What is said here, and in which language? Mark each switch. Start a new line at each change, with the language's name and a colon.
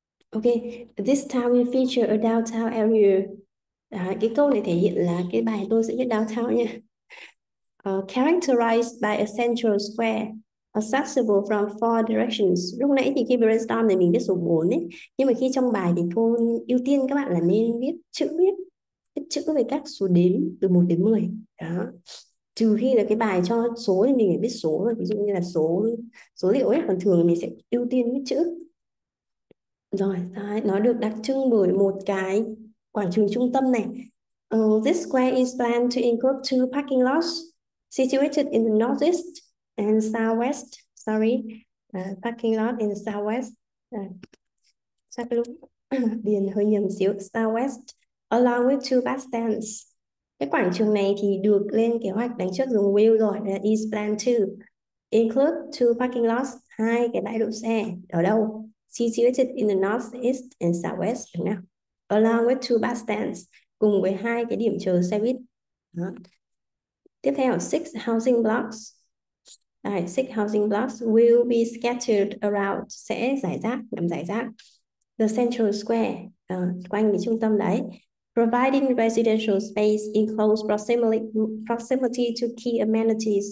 English: Okay, this town will feature a downtown area.
Vietnamese: Đó, cái câu này thể hiện là cái bài tôi sẽ viết downtown nha.
English: Characterized by a central square, accessible from four directions.
Vietnamese: Lúc nãy thì khi brainstorm thì mình viết số 4 ấy, nhưng mà khi trong bài thì cô ưu tiên các bạn là nên viết chữ, viết chữ về các số đếm từ 1 đến 10. Đó. Trừ khi là cái bài cho số thì mình phải biết số rồi, ví dụ như là số liệu ấy, còn thường mình sẽ ưu tiên viết chữ. Rồi, đó, nó được đặc trưng bởi một cái quảng trường trung tâm này.
English: This square is planned to include two parking lots situated in the northeast and southwest. Sorry, parking lot in southwest.
Vietnamese: Sao cái lúc điền hơi nhầm xíu.
English: Southwest, along with two bus stands.
Vietnamese: Cái quảng trường này thì được lên kế hoạch đánh trước dùng Will rồi, là
English: is plan to include two parking lots,
Vietnamese: hai cái bãi đỗ xe ở đâu?
English: Situated in the northeast and southwest,
Vietnamese: đúng không?
English: Along with two bus stands,
Vietnamese: cùng với hai cái điểm chờ xe buýt. Đó. Tiếp theo,
English: six housing blocks. Đấy, six housing blocks will be scattered around,
Vietnamese: sẽ rải rác, nằm rải rác.
English: The central square,
Vietnamese: quanh cái trung tâm đấy.
English: Providing residential space in close proximity to key amenities.